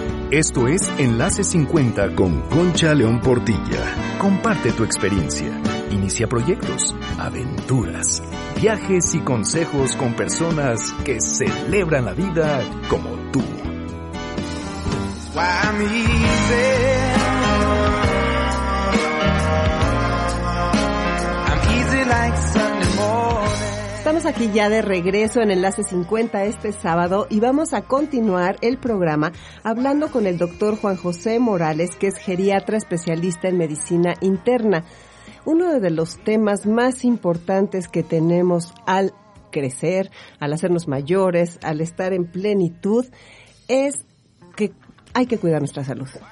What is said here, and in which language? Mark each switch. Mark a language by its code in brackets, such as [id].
[es] Esto es Enlace 50 con Concha León Portilla. Comparte tu experiencia. Inicia proyectos, aventuras, viajes y consejos con personas que celebran la vida como tú. [en] I'm easy like Sunday morning. [es] Estamos aquí ya de regreso en Enlace 50 este sábado y vamos a continuar el programa hablando con el doctor Juan José Morales, que es geriatra especialista en medicina interna. Uno de los temas más importantes que tenemos al crecer, al hacernos mayores, al estar en plenitud, es que hay que cuidar nuestra salud.